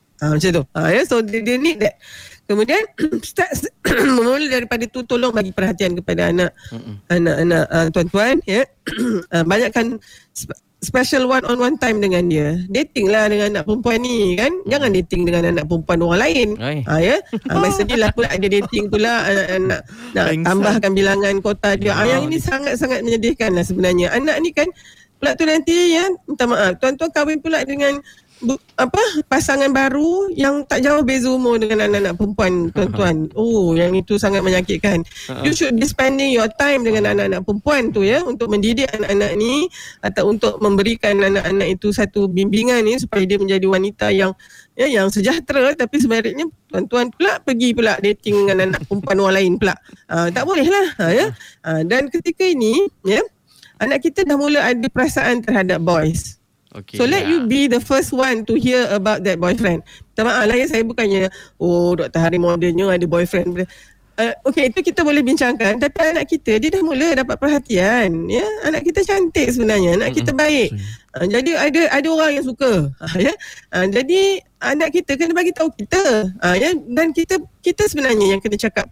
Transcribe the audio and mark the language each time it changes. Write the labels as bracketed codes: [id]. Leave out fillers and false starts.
[ms] Macam tu ya, so dia [en] need that. [ms] Kemudian start mula daripada tu, tolong bagi perhatian kepada anak. Anak-anak, tuan-tuan ya, banyakkan special one-on-one time dengan dia. Dating lah dengan anak perempuan ni kan. Jangan dating dengan anak perempuan orang lain. Masa ni lah pula dia dating pula, nak tambahkan bilangan kota dia. Yang ini sangat-sangat menyedihkan lah sebenarnya. Anak ni kan pula tu nanti ya, minta maaf, tuan-tuan kahwin pula dengan apa, pasangan baru yang tak jauh beza umur dengan anak-anak perempuan tuan-tuan. Yang itu sangat menyakitkan. [en] You should be spending your time [ms] dengan anak-anak perempuan tu ya, untuk mendidik anak-anak ni atau untuk memberikan anak-anak itu satu bimbingan ni supaya dia menjadi wanita yang ya, yang sejahtera. Tapi sebaliknya tuan-tuan pula pergi pula dating dengan anak perempuan orang lain pula. Tak boleh lah ya. Dan ketika ini ya, anak kita dah mula ada perasaan terhadap boys. [en] Okay, so let you be the first one to hear about that boyfriend. [ms] Tama'alah ya, saya bukannya, Dr. Hari modernnya ada boyfriend. Okay, itu kita boleh bincangkan. Tapi anak kita, dia dah mula dapat perhatian. Ya, anak kita cantik sebenarnya. Anak kita baik. Jadi ada orang yang suka. Ya? Jadi anak kita kena bagi tahu kita. Ya? Dan kita sebenarnya yang kena cakap.